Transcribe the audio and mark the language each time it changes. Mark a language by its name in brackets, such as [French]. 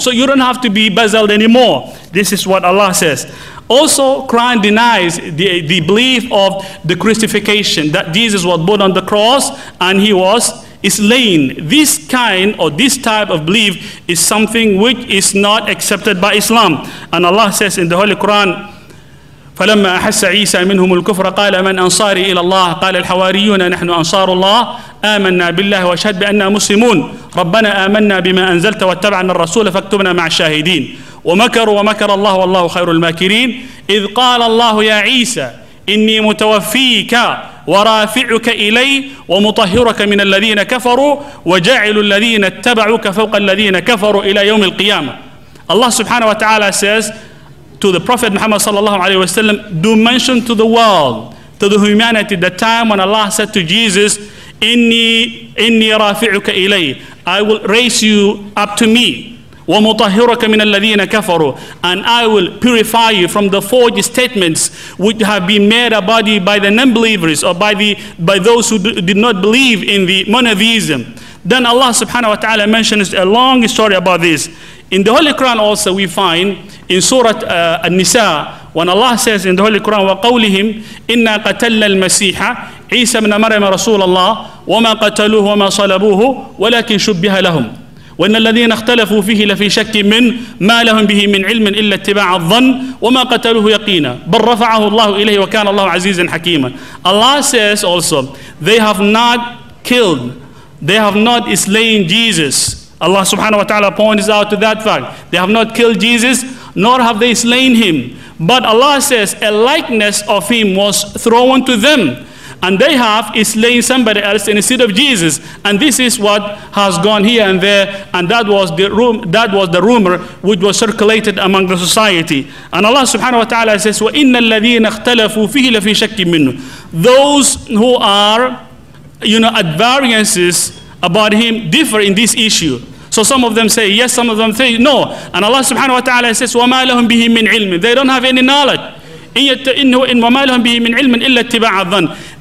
[English] So you don't have to be bezeled anymore. This is what Allah says. Also, Quran denies the belief of the crucifixion, that Jesus was born on the cross and he was slain. This kind or this type of belief is something which is not accepted by Islam. And Allah says in the Holy Quran, [Arabic] فلما أحس عيسى منهم الكفر قال من أنصاري إلى الله قال الحواريون نحن أنصار الله آمنا بالله وأشهد بأننا مسلمون ربنا آمنا بما أنزلت واتبعنا الرسول فاكتبنا مع الشاهدين ومكروا ومكر الله والله خير الماكرين إذ قال الله يا عيسى إني متوفيك ورافعك إلي ومطهرك من الذين كفروا وجعل الذين اتبعوك فوق الذين كفروا إلى يوم القيامة. [English] الله سبحانه وتعالى says to the Prophet Muhammad sallallahu alayhi wa sallam, do mention to the world, to the humanity, the time when Allah said to Jesus, [Arabic] inni rafi'uka ilay, [English] I will raise you up to me, [Arabic] wa mutahhiruka min alladhina kafaru, [English] and I will purify you from the forged statements which have been made about you by the non-believers or by those who did not believe in the monotheism. Then Allah subhanahu wa ta'ala mentions a long story about this. In the Holy Quran also we find in Surah An-Nisa, when Allah says in the Holy Quran, [Arabic] وَقَوْلِهِمْ إِنَّا قَتَلْنَا الْمَسِيحَ عِيسَى بْنَ مَرْيَمَ رَسُولَ اللَّهِ وَمَا قَتَلُوهُ وَمَا صَلَبُوهُ وَلَكِنْ شُبِّهَ لَهُمْ وَإِنَّ الَّذِينَ اخْتَلَفُوا فِيهِ لَفِي شَكٍّ مِنْ مَا لَهُمْ بِهِ مِنْ عِلْمٍ إِلَّا اتِّبَاعَ الظَّنِّ وَمَا قَتَلُوهُ يَقِينًا بَلْ رَفَعَهُ اللَّهُ إِلَيْهِ وَكَانَ اللَّهُ عَزِيزًا حَكِيمًا. [English] Allah says also, they have not killed, they have not slain Jesus. Allah subhanahu wa ta'ala points out to that fact. They have not killed Jesus, nor have they slain him. But Allah says a likeness of him was thrown to them, and they have slain somebody else instead of Jesus. And this is what has gone here and there, and that was the rumor which was circulated among the society. And Allah subhanahu wa ta'ala says, [Arabic] وَإِنَّ الَّذِينَ اخْتَلَفُوا فِيهِ لَفِي شَكِّ مِنْهُ. [English] Those who are, you know, at variances about him differ in this issue. So some of them say yes, some of them say no. And Allah subhanahu wa ta'ala says, [Arabic] وَمَا لَهُمْ بِهِ مِنْ عِلْمٍ. [English] They don't have any knowledge. [Arabic] وَمَا لَهُمْ بِهِ مِنْ عِلْمٍ إِلَّا اتِّبَاعَ الظَّنِّ.